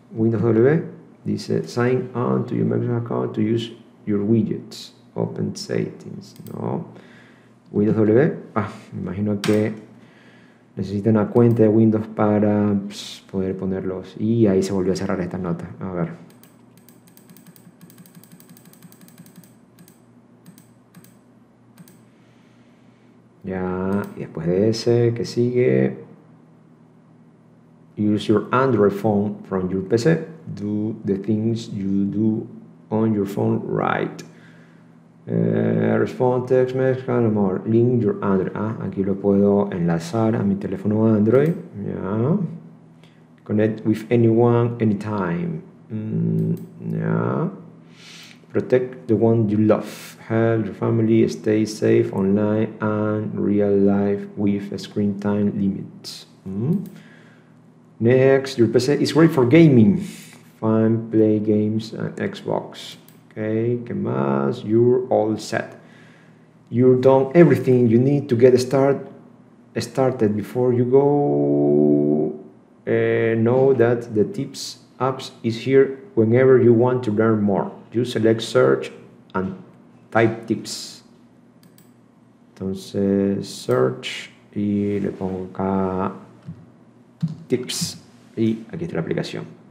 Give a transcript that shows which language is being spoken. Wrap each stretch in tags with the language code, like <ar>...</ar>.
<en>Windows W dice sign on to your Microsoft account to use your widgets. Open settings. No. Windows W.</en> <es>Ah, me imagino que necesita una cuenta de Windows para poder ponerlos. Y ahí se volvió a cerrar esta nota. A ver. Ya, y después de ese, ¿qué sigue?</es> <en>Use your Android phone from your PC. Do the things you do on your phone right. Respond, text, message, and more. Link your Android. Ah, aquí lo puedo enlazar a mi teléfono Android. Ya. Connect with anyone, anytime. Ya. Protect the one you love. Help your family stay safe online and real life with a screen time limit. Next, your PC is great for gaming. Fine, play games and Xbox. Okay,</en> <es>¿qué más?</es> <en>You're all set. You've done everything you need to get started before you go. Know that the tips apps is here whenever you want to learn more. You select search and type tips.</en> <es>Entonces, search y le pongo acá tips y aquí está la aplicación.</es>